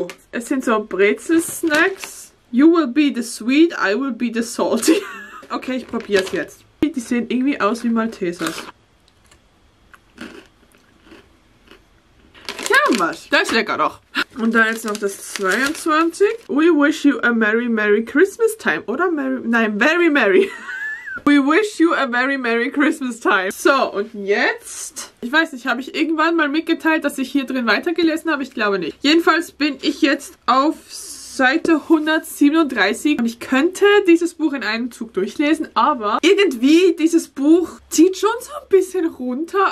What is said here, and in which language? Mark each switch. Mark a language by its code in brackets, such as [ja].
[de] Es sind so Brezelsnacks. [en] You will be the sweet, I will be the salty. [de] Okay, ich probiere es jetzt. Die sehen irgendwie aus wie Maltesers. Ja, was? Das ist lecker doch. Und dann jetzt noch das 22. [en] We wish you a merry, merry Christmas time. [de] Oder [en] merry? [de] Nein, [en] very merry. We wish you a very merry Christmas time. [de] So, und jetzt? Ich weiß nicht, habe ich irgendwann mal mitgeteilt, dass ich hier drin weitergelesen habe? Ich glaube nicht. Jedenfalls bin ich jetzt auf Seite 137 und ich könnte dieses Buch in einem Zug durchlesen, aber irgendwie dieses Buch zieht schon so ein bisschen runter.